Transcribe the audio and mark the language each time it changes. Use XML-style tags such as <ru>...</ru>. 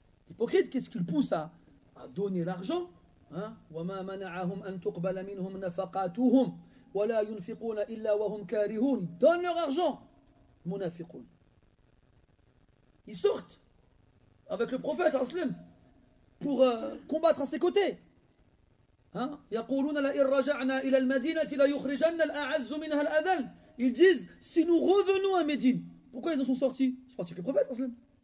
<fr>Hypocrite, qu'est-ce qu'il pousse à donner l'argent, hein?</fr> <ar>وما منعهم أن تقبل منهم نفقاتهم وَلَا يُنْفِقُونَ إِلَّا وَهُمْ كَارِهُونَ.</ar> <fr>Ils donnent leur argent. Munafiqun. Ils sortent avec le prophète Aslim pour combattre à ses côtés.</fr> <ar>يَقُولُونَ لَئِنْ رَجَعْنَا إِلَى الْمَدِينَةِ لَيُخْرِجَنَّ الْأَعَزُّ مِنْهَا الْأَذَلُ.</ar> <fr>Ils disent: si nous revenons à Médine. Pourquoi ils en sont sortis? Ils sont partis avec le prophète Aslim.</fr>